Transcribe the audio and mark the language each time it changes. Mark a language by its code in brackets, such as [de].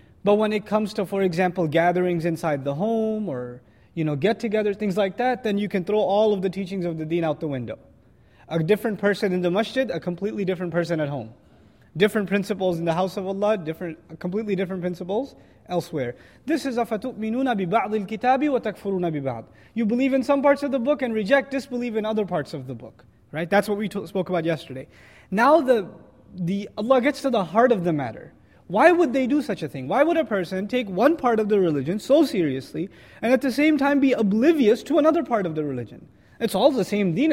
[en] But when it comes to, for example, gatherings inside the home or, you know, get together, things like that, then you can throw all of the teachings of the deen out the window. A different person in the masjid, a completely different person at home. Different principles in the house of Allah, completely different principles elsewhere. This is [ar] أَفَتُؤْمِنُونَ بِبَعْضِ الْكِتَابِ وَتَكْفُرُونَ بِبَعْضٍ. [en] You believe in some parts of the book and reject, disbelieve in other parts of the book. Right? That's what we spoke about yesterday. Now the Allah gets to the heart of the matter. Why would they do such a thing? Why would a person take one part of the religion so seriously and at the same time be oblivious to another part of the religion? It's all the same deen.